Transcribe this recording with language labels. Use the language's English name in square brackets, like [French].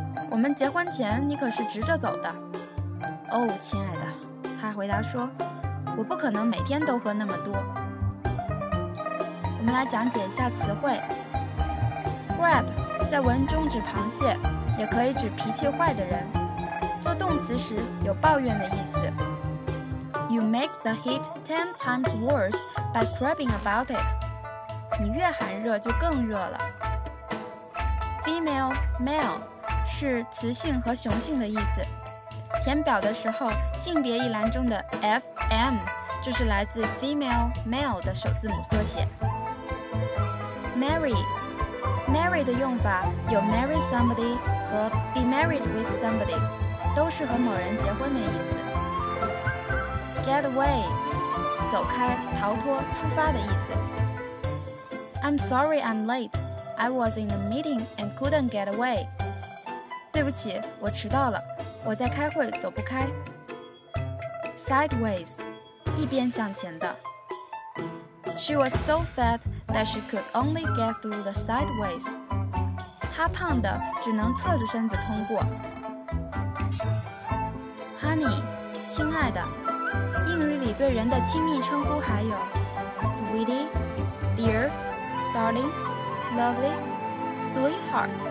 [Chinese] 我们结婚前你可是直着走的。哦，亲爱的，他回答说，我不可能每天都喝那么多。我们来讲解一下词汇。Crab 在文中指螃蟹，也可以指脾气坏的人，做动词时有抱怨的意思。 [English] You make the heat 10 times worse by crabbing about it. [Chinese] 你越寒热就更热了。 Female, male 是雌性和雄性的意思。填表的时候，性别一栏中的 FM 就是来自 female, male 的首字母缩写。 Marry, marry 的用法有 [English] marry somebody [Chinese] 和 [English] be married with somebody， [Chinese] 都是和某人结婚的意思。 Get away 走开、逃脱、出发的意思。 [English] I'm sorry I'm late. I was in a meeting and couldn't get away. [Chinese] 对不起，我迟到了，我在开会，走不开。Sideways 一边向前的。 [English] She was so fat that she could only get through the sideways. [Chinese] 她胖的只能侧着身子通过。 Honey, 亲爱的，英语里对人的亲密称呼还有 Sweetie, Dear, Darling, Lovely, Sweetheart,